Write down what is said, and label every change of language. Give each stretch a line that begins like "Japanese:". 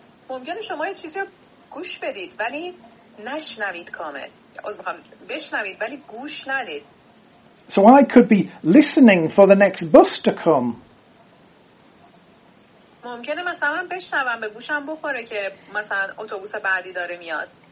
Persian: ممکنه شما یه چیزی گوش بدید ولی نشنوید کامل. بشنوید ولی گوش ندید.
English: So I could be listening for the next bus to come.
Persian: ممکنه مثلا بشنوم به گوشم بخوره که مثلا اتوبوس بعدی داره میاد.